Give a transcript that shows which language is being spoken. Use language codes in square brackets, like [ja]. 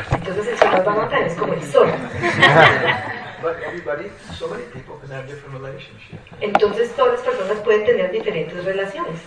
[es] Entonces el Srimad Bhagavatam es como el sol. [en] But everybody, so many people can have different relationships. [es] Entonces todas las personas pueden tener diferentes relaciones.